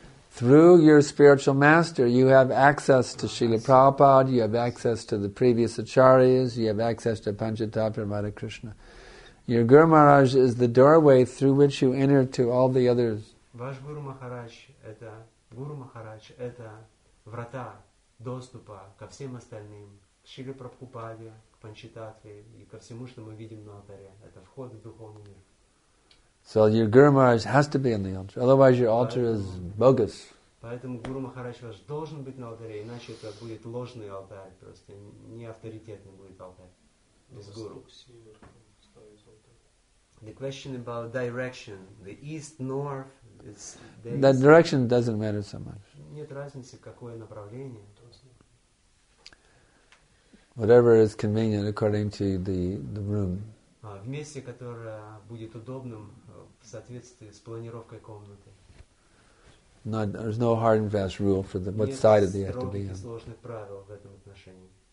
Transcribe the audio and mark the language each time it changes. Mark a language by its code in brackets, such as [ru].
[en] Through your spiritual master, you have access to Srila Prabhupada, you have access to the previous acharyas, you have access to Panchatattva and Radha Krishna. Your Guru Maharaj is the doorway through which you enter to all the others. [ru] Ваш Guru Maharaj, это Guru Maharaj, это врата. Доступа ко всем остальным, к Шри Прабхупаде, к Панчитатве и ко всему, что мы видим на алтаре. Это вход в духовный мир. [en] So your Guru Maharaj has to be in the altar, otherwise your altar is bogus. [ru] Поэтому Гуру Махарадж ваш должен быть на алтаре, иначе это будет ложный алтарь, просто неавторитетный будет алтарь без Гуру. [en] The question about direction, the east, north, it's... That direction doesn't matter so much. [ru] Нет разницы, какое направление. [en] Whatever is convenient according to the room. [ru] В месте, которое будет удобным в соответствии с планировкой комнаты. [en] There's no hard and fast rule for the what side they have to be on. [ru] Нет сложных правил в этом отношении.